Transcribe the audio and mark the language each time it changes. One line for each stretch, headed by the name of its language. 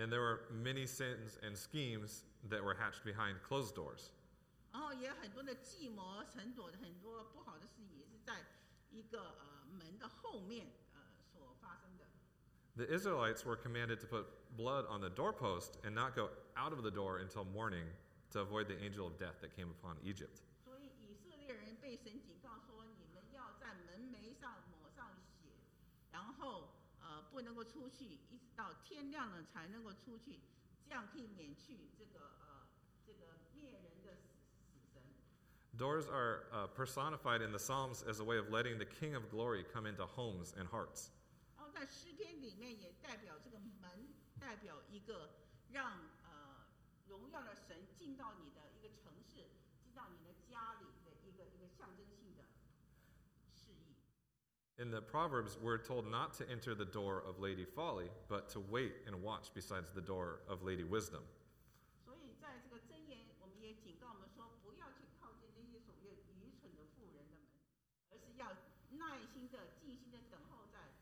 English: And there were many sins and schemes that were hatched behind closed doors.
Chinese: 然后也很多的计谋，很多很多不好的事情，也是在一个门的后面所发生的。
English: The Israelites were commanded to put blood on the doorpost and not go out of the door until morning to avoid the angel of death that came upon Egypt.
Chinese: 所以以色列人被神警告说，你们要在门楣上抹上血，然后不能够出去，一直到天亮了才能够出去，这样可以免去这个灭人的死神。
English: Doors are personified in the Psalms as a way of letting the King of Glory come into homes and hearts.
Chinese: 在诗篇里面也代表这个门，代表一个让荣耀的神进到你的一个城市，进到你的家里的一个象征性的示意。
English: In the Proverbs, we're told not to enter the door of Lady Folly, but to wait and watch besides the door of Lady Wisdom.
Chinese: 所以在这个箴言，我们也警告我们说，不要去靠近那些所谓愚蠢的妇人的门，而是要耐心的、静心的等候在。